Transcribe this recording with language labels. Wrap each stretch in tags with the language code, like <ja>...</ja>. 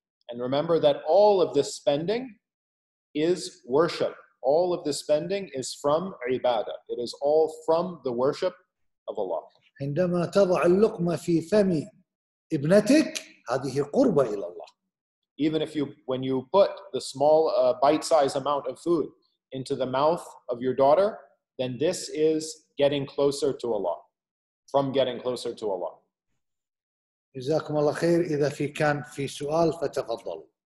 <en>And remember that all of this spending is worship. All of this spending is from ibadah. It is all from the worship of Allah.</en> <ar>عندما تضع اللقمة في فم ابنتك هذه قربة إلى الله.</ar> <en>Even if you, when you put the small bite-sized amount of food into the mouth of your daughter, then this is getting closer to Allah. From getting closer to Allah.</en> <ar>جزاكم الله خير. إذا في كان في سؤال فتفضل.</ar>